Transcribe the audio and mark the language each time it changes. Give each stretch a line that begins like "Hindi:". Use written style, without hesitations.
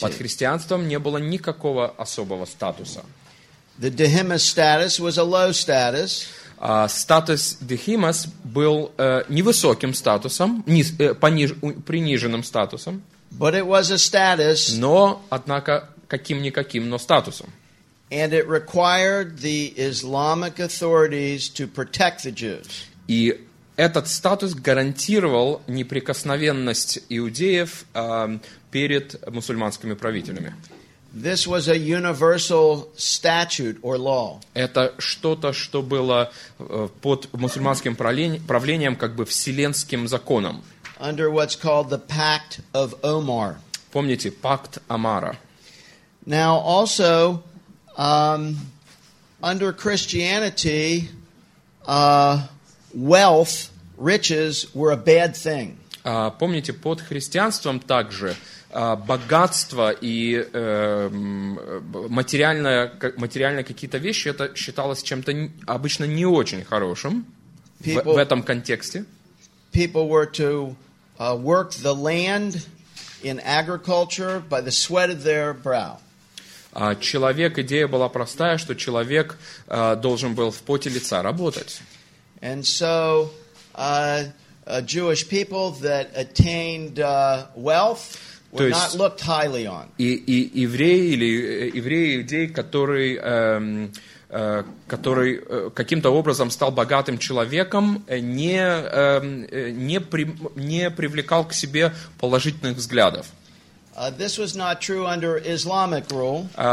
Russian: Под христианством не было никакого особого статуса.
English: The dehemis status was a low status.
Russian: Статус dehemis был невысоким статусом, приниженным статусом.
English: But it was a status.
Russian: Но, однако, каким-никаким, но статусом.
English: And it required the Islamic authorities to protect the Jews.
Russian: И этот статус гарантировал неприкосновенность иудеев перед мусульманскими правителями.
English: This was a universal statute or law.
Russian: Это что-то, что было под мусульманским правлением как бы вселенским законом.
English: Under what's called the Pact of Omar.
Russian: Помните, Пакт Омара.
English: Now also, under Christianity, wealth, riches were a bad thing.
Russian: Помните, под христианством также богатство и материальные какие-то вещи, это считалось чем-то обычно не очень хорошим в этом контексте.
English: People were to work the land in agriculture by the sweat of their brow.
Russian: Идея была простая, что человек должен был в поте лица работать.
English: And so, Jewish people that attained wealth were not looked highly on.
Russian: И евреи или евреи иудеи, который каким-то образом стал богатым человеком, не привлекал к себе положительных взглядов.
English: This was not true under Islamic rule.